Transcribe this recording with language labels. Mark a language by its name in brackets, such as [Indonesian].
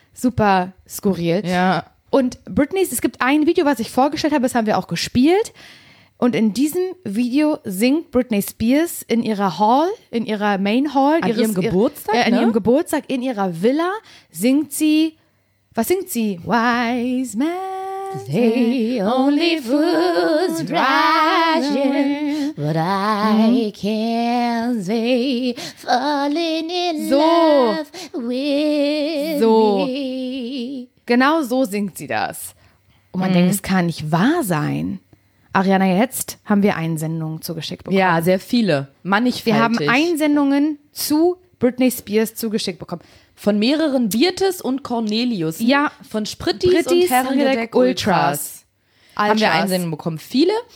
[German] Super skurril. Ja. Und Britney's, es gibt ein Video, was ich vorgestellt habe, das haben wir auch gespielt. Und in diesem Video singt Britney Spears in ihrer Hall, in ihrer Main Hall. An ihrem Geburtstag, in ihrer Villa, singt sie, was singt sie? [English] Wise men say only fools rush in, but I can't say falling in love with me. [German] Genau so singt sie das. Und man denkt, es kann nicht wahr sein. Ariana, jetzt haben wir Einsendungen zugeschickt bekommen. Ja, sehr viele. Mannigfaltig. Wir haben Einsendungen zu Britney Spears zugeschickt bekommen. Von mehreren Birtes und Cornelius. Ja. Von Sprittis und Herrengedeck Ultras. Ultras. Haben wir Einsendungen bekommen. Viele.